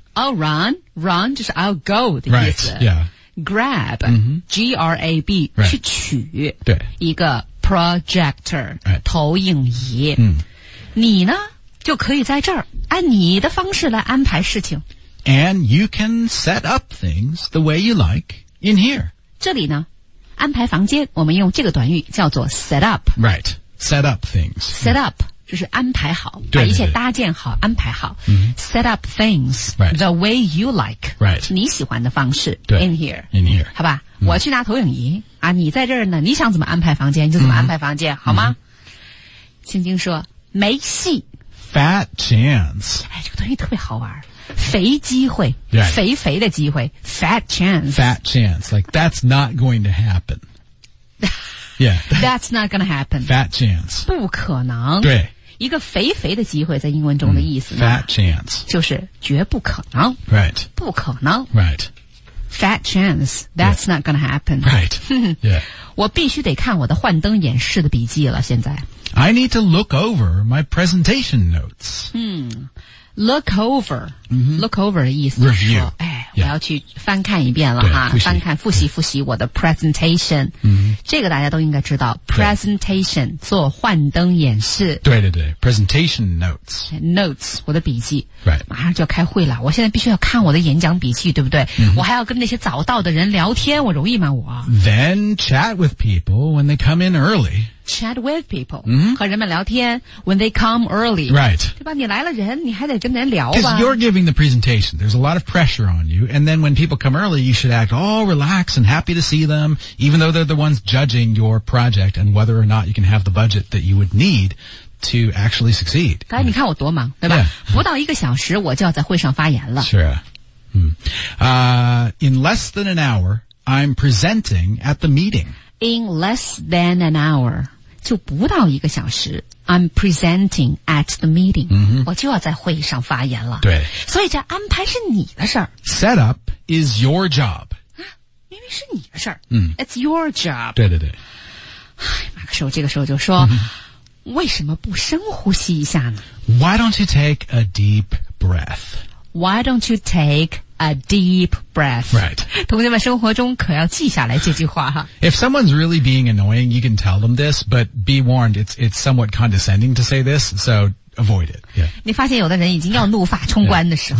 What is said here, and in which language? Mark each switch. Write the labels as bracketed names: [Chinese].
[English] I'll run, run [Chinese] 就是 [English] I'll go [Chinese] 的意思。 [English] Right, yeah. Grab,、 mm-hmm. G-R-A-B,、 right. [Chinese] 去取对一个 projector,、 [English] right. [Chinese] 投影仪。嗯、你呢就可以在这儿按你的方式来安排事情。 [English] And you can set up things the way you like in here. [Chinese] 这里呢安排房间我们用这个短语叫做 set up [English] Right, set up things Set up、yeah. [Chinese] 就是安排好对对对把一切搭建好安排好、 mm-hmm. [English] Set up things、 right. the way you like Right [Chinese] 你喜欢的方式对 [English] In here In here [Chinese] 好吧、mm-hmm. 我去拿投影仪啊，你在这儿呢你想怎么安排房间就怎么安排房间、mm-hmm. 好吗、mm-hmm. 青青说没戏 [English] Fat chance [Chinese] 哎，这个东西特别好玩肥机会、 [English] right. [Chinese] 肥肥的机会 fat chance [English] fat chance like that's not going to happen yeah that's not going to happen fat chance [Chinese] 不可能对一个肥肥的机会在英文中的意思呢、mm, [English] fat chance [Chinese] 就是绝不可能 [English] right [Chinese] 不可能 [English] right fat chance that's、yeah. not going to happen right yeah [Chinese] 我必须得看我的幻灯演示的笔记了现在 [English] I need to look over my presentation notes Look over,、 mm-hmm. [Chinese] look over 的意思 [English] review 哎、 yeah. [Chinese] 我要去翻看一遍了哈翻看复习复习我的 presentation、 mm-hmm. 这个大家都应该知道 presentation 做幻灯演示 [English] 对对对 presentation notes [Chinese] notes 我的笔记、 [English] right. [Chinese] 马上就要开会了我现在必须要看我的演讲笔记对不对、 mm-hmm. 我还要跟那些早到的人聊天我容易吗我 [English] then chat with people when they come in early Chat with people、 mm-hmm. [Chinese] 和人们聊天 [English] When they come early Right [Chinese] 对吧你来了人你还得跟人聊吧 [English] Because you're giving the presentation There's a lot of pressure on you And then when people come early You should act all relaxed And happy to see them Even though they're the ones Judging your project And whether or not You can have the budget That you would need To actually succeed [Chinese] 刚才你看我多忙对吧、 [English] yeah. [Chinese] 不到一个小时我就要在会上发言了 [English] Sure、In less than an hour I'm presenting at the meeting In less than an hour [Chinese] 就不到一个小时 [English] I'm presenting at the meeting、 mm-hmm. [Chinese] 我就要在会议上发言了对所以这安排是你的事儿 [English] Set up is your job、 [Chinese] 啊、明明是你的事儿、 mm. [English] It's your job [Chinese] 对对对马克说这个时候就说、mm-hmm. 为什么不深呼吸一下呢 [English] Why don't you take a deep breath Why don't you take a deep breath Right [Chinese] 同学们生活中可要记下来这句话哈 [English] If someone's really being annoying You can tell them this But be warned It's somewhat condescending to say this So avoid it、yeah. [Chinese] 你发现有的人已经要怒发冲冠的时候、